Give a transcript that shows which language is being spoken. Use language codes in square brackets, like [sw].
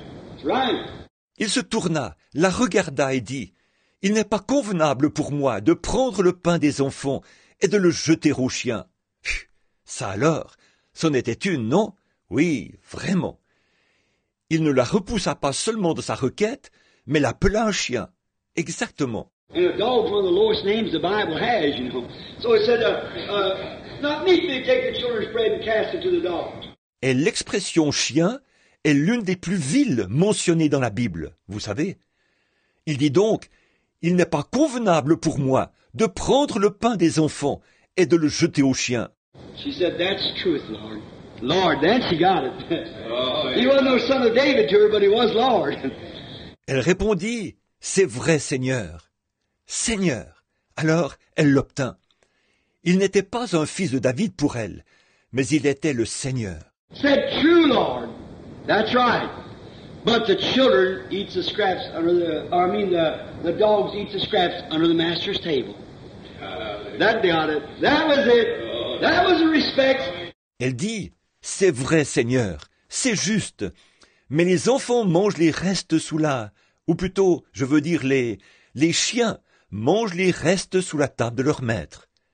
[en] That's right. [fr] Il se tourna, la regarda et dit, « Il n'est pas convenable pour moi de prendre le pain des enfants et de le jeter aux chiens. » Ça alors, c'en était une, non? Oui, vraiment. Il ne la repoussa pas seulement de sa requête, mais l'appela un chien. Exactement. [en] And a dog is one of the lowest names the Bible has, you know. So it said, not meet me to take the children's bread and cast it to the dogs. [fr] Et l'expression chien est l'une des plus viles mentionnées dans la Bible, vous savez. Il dit donc, il n'est pas convenable pour moi de prendre le pain des enfants et de le jeter aux chiens. [en] She said, that's truth, Lord. Lord, then she got it. Oh, yeah. He wasn't no son of David to her, but he was Lord. [fr] Elle répondit, c'est vrai, Seigneur. Seigneur. Alors, elle l'obtint. Il n'était pas un fils de David pour elle, mais il était le Seigneur. [en] Said, true, Lord. That's right. But the children eat the scraps under the, or I mean the dogs eat the scraps under the master's table. That got it. That was it. That was the respect. [fr] Elle dit, c'est vrai, Seigneur, c'est juste. Mais les enfants mangent les restes sous la, ou plutôt, je veux dire les chiens mangent les restes sous la table de leur maître.